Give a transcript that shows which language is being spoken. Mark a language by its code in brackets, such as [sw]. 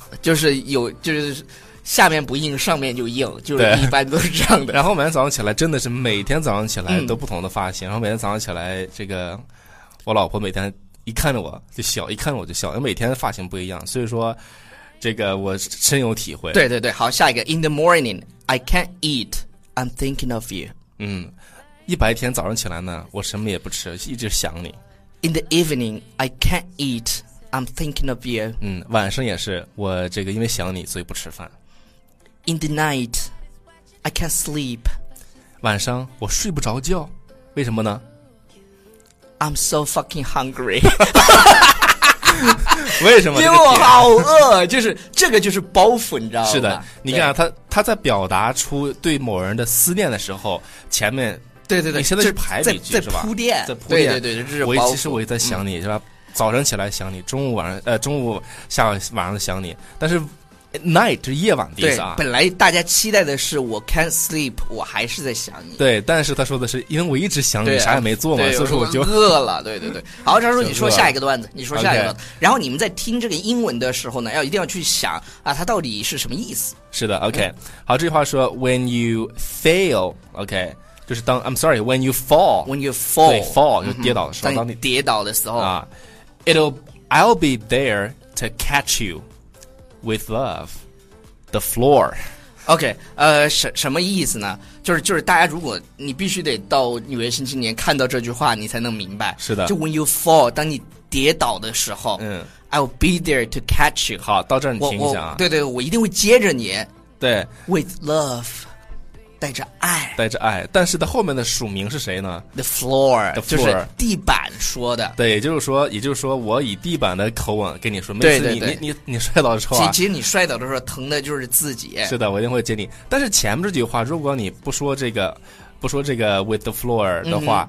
[zh] 就是有就是下面不硬上面就硬，就是一般都是这样的。然后每天早上起来真的是每天早上起来都不同的发型、嗯、然后每天早上起来这个我老婆每天一看着我就笑，一看着我就笑，因为每天发型不一样，所以说这个我深有体会。 [en] 对对对，好，下一个 In the morning I can't eat, I'm thinking of you。 [zh] 嗯，一白天早上起来呢我什么也不吃，一直想你。 [en] In the evening I can't eat, I'm thinking of you。 [zh] 嗯，晚上也是，我这个因为想你所以不吃饭。 [en] In the night, I can't sleep. [zh] 晚上我睡不着觉，为什么呢？ [en] I'm so fucking hungry. [zh] 为什么？因为我好饿，就是这个就是包袱，你知道吗？是的，你看、啊、他在表达出对某人的思念的时候，前面对对对，你现在是排比句是吧？在铺垫，在铺垫，对对对，这是包袱。我其实我也在想你、嗯、是吧？早上起来想你，中午晚上中午下午晚上想你，但是。 Night 是夜晚的意思啊。对，本来大家期待的是我 can't sleep，我还是在想你。对，但是他说的是因为我一直想你，啥也没做嘛，所以说我就饿了。对对对，好，张叔，你说下一个段子，你说下一个段子。 [en] Okay. [zh] 然后你们在听这个英文的时候呢，要一定要去想啊，它到底是什么意思？是的 ，OK、嗯。 [en] 好，这句话说 when you fail，OK、okay.。就是当 I'm sorry when you fall， when you fall， [zh] 对 fall、嗯、就跌倒的时候，当你跌倒的时候 [en] 啊， I'll be there to catch you。With love, the floor. [zh] OK， 什么意思呢？就是大家，如果你必须得到纽约新青年看到这句话，你才能明白。是的，就 when you fall，当你跌倒的时候，嗯 [en] ，I'll be there to catch you。 [zh] 好，到这儿你听一下啊。对，我一定会接着你。对 [en] ，with love，带着爱， [zh] 带着爱。但是的后面的署名是谁呢？ The floor，就是地板说的。对，也就是说，我以地板的口吻跟你说，每次你摔倒的时候、啊，其实你摔倒的时候疼的就是自己。是的，我一定会接你。但是前面这句话，如果你不说这个， with the floor 的话。